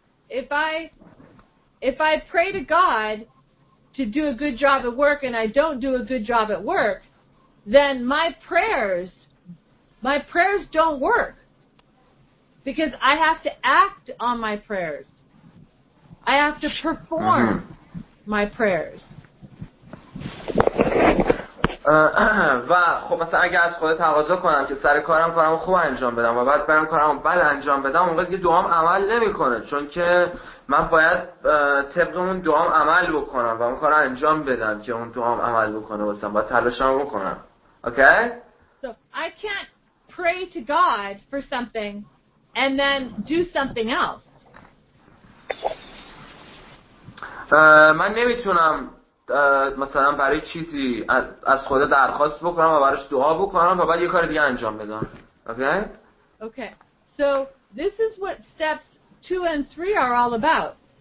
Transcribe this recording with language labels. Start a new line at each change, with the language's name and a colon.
English: If I pray to God to do a good job at work and I don't do a good job at work, then my prayers don't work because I have to act on my prayers. I have to perform. Mm-hmm. my prayers.
Persian: و خب مثلا اگه از خودت تقاضا کنم که سر کارم کارم خوب انجام بدم و بعد برم کارم بد انجام بدم، اونقدر دیگه دعام عمل نمیکنه، چون که من باید طبق اون دعام عمل بکنم و اون کار انجام بدم که اون دعام عمل بکنه واسم، باید تلاشم بکنم. اوکی؟
English: So I can't pray to God for something and then do something else.
Persian: من نمیتونم مثلا برای چیزی از خدا درخواست بکنم و براش دعا بکنم و بعد یه کار دیگه انجام بدم.
English: Okay? Okay. So this is what steps 2 and 3 are all about.